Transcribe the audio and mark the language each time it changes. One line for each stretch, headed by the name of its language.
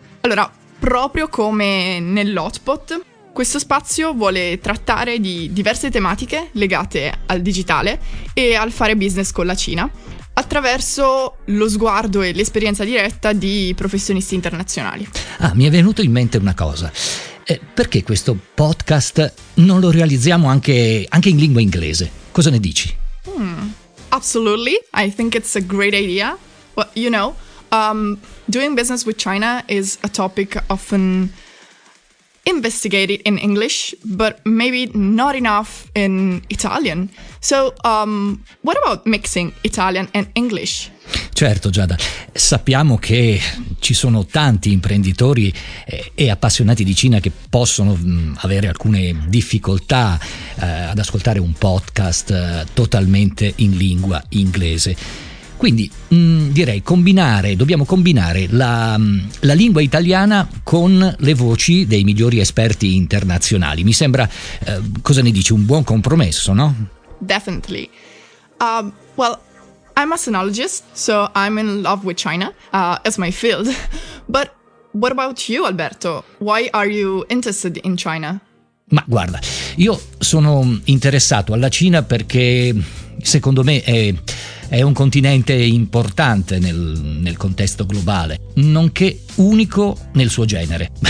Italian: Allora, proprio come nell'hotpot, questo spazio vuole trattare di diverse tematiche legate al digitale e al fare business con la Cina, attraverso lo sguardo e l'esperienza diretta di professionisti internazionali. Ah, mi è venuto in mente una cosa. Perché questo podcast non lo realizziamo anche in lingua inglese? Cosa ne dici?
English: Absolutely, I think it's a great idea. Well, you know, doing business with China is a topic often investigated in English, but maybe not enough in Italian. So, what about mixing Italian and English?
Italian: Certo, Giada. Sappiamo che ci sono tanti imprenditori e appassionati di Cina che possono avere alcune difficoltà ad ascoltare un podcast totalmente in lingua inglese. Quindi direi dobbiamo combinare la lingua italiana con le voci dei migliori esperti internazionali. Mi sembra, cosa ne dici, un buon compromesso, no?
English: Definitely. Well, I'm a sinologist, so I'm in love with China as my field. But what about you, Alberto? Why are you interested in China?
Italian: Ma guarda, io sono interessato alla Cina perché secondo me è un continente importante nel contesto globale, nonché unico nel suo genere.